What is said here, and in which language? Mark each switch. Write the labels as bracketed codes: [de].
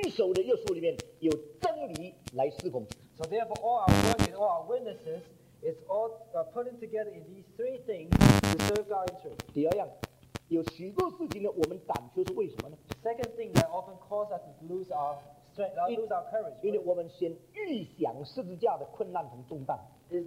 [zh] 这样我们见证我们的侍奉，我们对主的工作，我们对主的爱，都在这个刚强、仁爱、谨守的约束里面，有真理来侍奉。 [en] So therefore, all our work and all our witnesses is all putting together in these three things to serve God in truth. [zh] 第二样。有许多事情呢，我们胆怯是为什么呢 [en] ？Second thing that often causes us to lose our strength, lose our courage. [zh] 因为我们先预想十字架的困难和重担。Is